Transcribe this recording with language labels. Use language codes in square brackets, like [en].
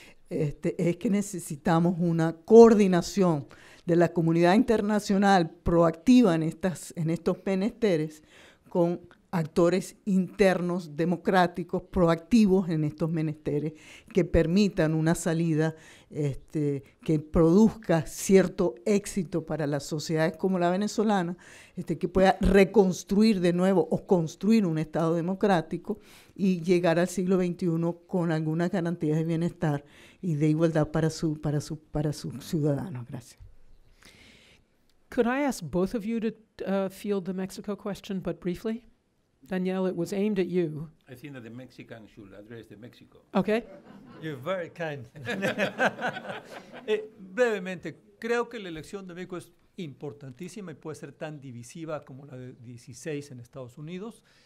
[es] es que necesitamos una coordinación de la comunidad internacional proactiva en estos menesteres con actores internos democráticos proactivos en estos menesteres que permitan una salida que produzca cierto éxito para las sociedades como la venezolana, que pueda reconstruir de nuevo o construir un Estado democrático y llegar al siglo XXI con algunas garantías de bienestar y de igualdad para sus ciudadanos. Gracias. [en] Could I ask both of you to field the Mexico question, but briefly? Daniel, it was aimed at you. I think that the Mexican should address the Mexico. Okay. You're very kind. [es] Brevemente, creo que la elección de México es importantísima y puede ser tan divisiva como la de 16 en Estados Unidos.